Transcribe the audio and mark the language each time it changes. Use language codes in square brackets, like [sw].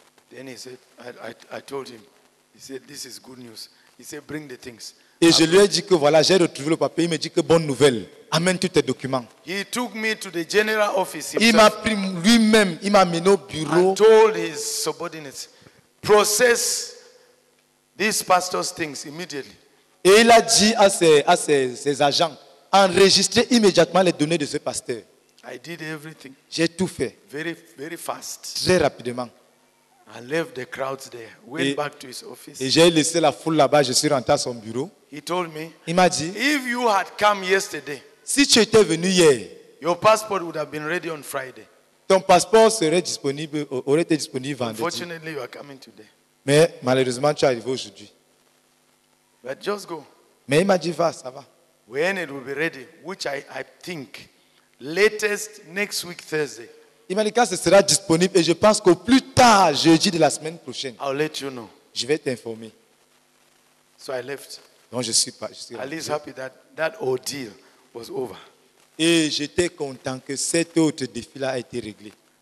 [en] Then he said, I told him. He said, this is good news. He said, bring the things. [fr] Et je lui ai dit que voilà, j'ai retrouvé le papier. Il me dit que bonne nouvelle, amène tous tes documents. [en] He took me to the general office. [fr] Il m'a pris lui-même, il m'a mené au bureau. [en] And told his subordinates, process this pastor's things immediately. [fr] Et il a dit à ses agents, enregistrez immédiatement les données de ce pasteur. [en] I did everything. [fr] J'ai tout fait. [en] Very, very fast. [fr] Très rapidement. [en] I left the crowds there, went back to his office. [fr] Et j'ai laissé la foule là-bas, je suis rentré à son bureau. [en] He told me, [fr] il m'a dit, [en] if you had come yesterday, [fr] si tu étais venu hier, [en] your passport would have been ready on Friday. [fr] Ton passeport serait disponible, aurait été disponible vendredi. [en] Unfortunately, you are coming today. [fr] Mais malheureusement, tu es arrivé aujourd'hui. [en] But just go. [fr] Mais il m'a dit, va, ça va. [en] When it will be ready, which I think, latest next week Thursday, [fr] il m'a dit quand ce sera disponible et je pense qu'au plus tard, jeudi de la semaine prochaine, [en] I'll let you know. [fr] Je vais t'informer. [en] So I left. [fr] Donc je suis pas. [en] At least happy that ordeal was over. [fr] Et j'étais content que cet autre défi-là a été réglé.